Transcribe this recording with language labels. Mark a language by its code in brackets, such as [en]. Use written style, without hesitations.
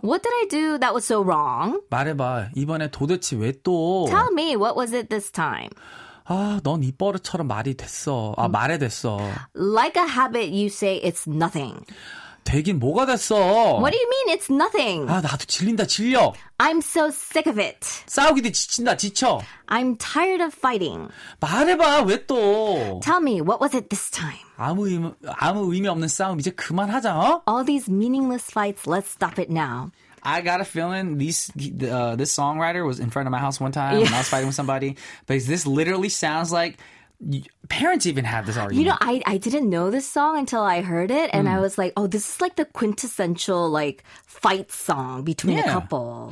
[en] What did I do that was so wrong? [ko] 말해봐. 이번에 도대체 왜 또? [en] Tell me, what was it this time? [ko] 아, 넌 이 버릇처럼 말이 됐어. 아, 말해 됐어. [en] Like a habit, you say it's nothing. [ko] 되긴 뭐가 됐어? [en] What do you mean it's nothing? [ko] 아, 나도 질린다, 질려. [en] I'm so sick of it. [ko] 싸우기도 지친다, 지쳐. [en] I'm tired of fighting. [ko] 말해봐, 왜 또? [en] Tell me, what was it this time? [ko] 아무 의미 없는 싸움 이제 그만하자, 어? [en] All these meaningless fights, let's stop it now. I got a feeling this songwriter was in front of my house one time when I was fighting with somebody. But this literally sounds like... parents even have this argument. You know, I didn't know this song until I heard it, and I was like, oh, this is like the quintessential like fight song between a couple.